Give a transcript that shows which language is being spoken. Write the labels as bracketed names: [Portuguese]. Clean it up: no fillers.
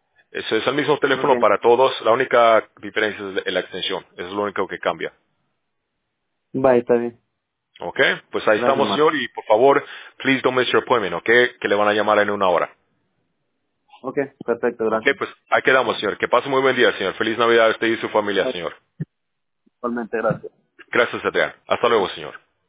[Spanish] Eso es el mismo teléfono para todos. La única diferencia es la extensión. Eso es lo único que cambia. Bye, está bien. Okay, pues ahí estamos, señor. Y por favor, [English] please don't miss your appointment, okay? [Spanish] Que le van a llamar en una hora. Okay, perfecto, gracias. Okay, pues ahí quedamos, señor. Que pase muy buen día, señor. Feliz Navidad a usted y su familia, señor. Igualmente, gracias. Gracias, Adrián. Hasta luego, señor.